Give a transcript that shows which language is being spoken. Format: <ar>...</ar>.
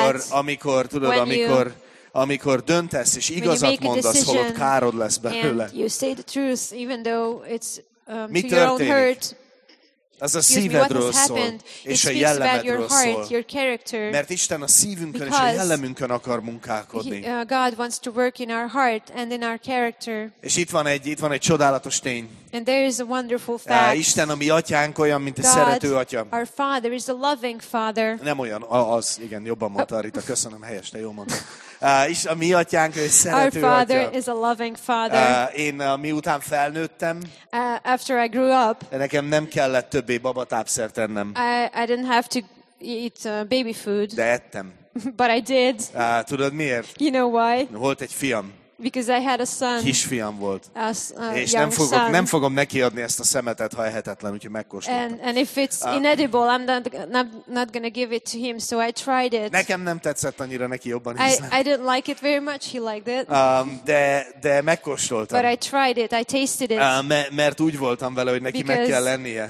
<hu>amikor tudod, amikor amikor döntesz és igazat mondasz, holott károd lesz belőle.</hu> <en>You say the truth, even though it's</en> <hu>mi</hu> <en>to your own hurt.</en> <hu>Ez a szívedről szól, és a jellemedről</hu> <en>heart,</en> <hu>szól. Mert Isten a szívünkön és a jellemünkön akar munkálkodni.</hu> <en>God wants to work in our heart and in our character.</en> <hu>És itt van egy csodálatos tény.</hu> <en>And there is a wonderful fact.</en> <hu>Isten a mi atyánk olyan, mint a szerető atya.</hu> <en>Our father is a loving father.</en> <hu>Nem olyan, az, igen, jobban mondta Rita, köszönöm, helyes, te jól mondtad. És a mi atyánk, ő szerető</hu> <en>our father</en> <hu>atya.</hu> <en>Is a loving father.</en> <hu>Én miután felnőttem,</hu> <en>after I grew up,</en> <hu>nekem nem kellett többé babatápszert ennem.</hu> <en>I didn't have to eat baby food.</en> <hu>De ettem.</hu> <en>But I did.</en> <hu>Tudod miért?</hu> <en>You know why?</en> <hu>Volt egy fiam.</hu> <en>Because I had a son.</en> <hu>Kisfiam volt. És nem fogok, son. Nem fogom nekiadni ezt a szemetet, ha ehetetlen, úgyhogy megkóstoltam.</hu> <en>And if it's inedible, I'm not gonna give it to him, so I tried it.</en> <hu>Nekem nem tetszett annyira, neki jobban ízlett.</hu> <en>I didn't like it very much, he liked it.</en> <hu>De megkóstoltam.</hu> <en>But I tried it, I tasted it.</en> <hu>Mert úgy voltam vele, hogy neki meg kell lennie.</hu>